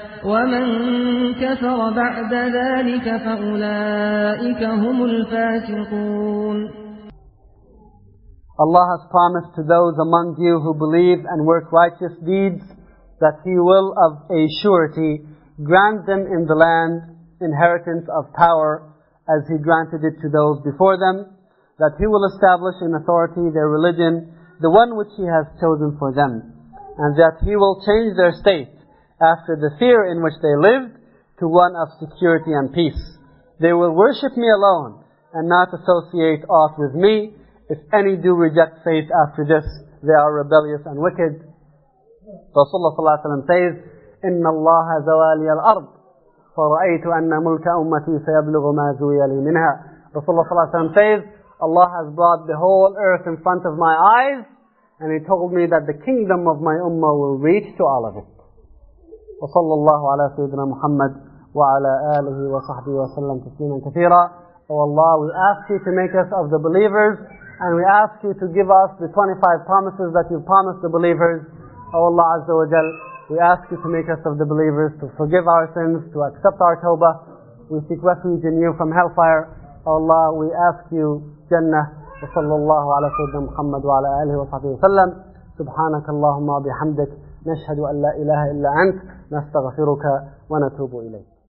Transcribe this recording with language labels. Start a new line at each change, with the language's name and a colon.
Arabic: ومن كفر بعد ذلك فأولئك هم الفاسقون.
English: Allah has promised to those among you who believe and work righteous deeds that He will of a surety grant them in the land inheritance of power as He granted it to those before them, that He will establish in authority their religion, the one which He has chosen for them, and that He will change their state after the fear in which they lived to one of security and peace. They will worship Me alone and not associate aught with Me. If any do reject faith after this, they are rebellious and wicked. Rasulullah sallallahu alayhi wa sallam says,
Arabic: إِنَّ اللَّهَ زَوَالِيَ الْأَرْضِ فَرَأَيْتُ أَنَّ مُلْكَ أُمَّتِي سَيَبْلُغُ مَا زُوِيَ لِي مِنْهَا.
English: Rasulullah sallallahu alayhi wa sallam says, Allah has brought the whole earth in front of my eyes, and He told me that the kingdom of my ummah will reach to all of it.
Arabic: وصلى الله على سيدنا محمد وعلى آله وصحبه وسلم تسليما كثيرا.
English: Oh Allah, we ask You to make us of the believers, and we ask You to give us the 25 promises that You promised the believers. Oh Allah Azza wa Jal, we ask You to make us of the believers, to forgive our sins, to accept our tawbah. We seek refuge in You from hellfire. Oh Allah, we ask You Jannah.
Arabic: وصلى الله على سيدنا محمد وعلى آله وصحبه وسلم. سبحانك اللهم وبحمدك, نشهد أن لا إله إلا أنت, نستغفرك ونتوب إليك.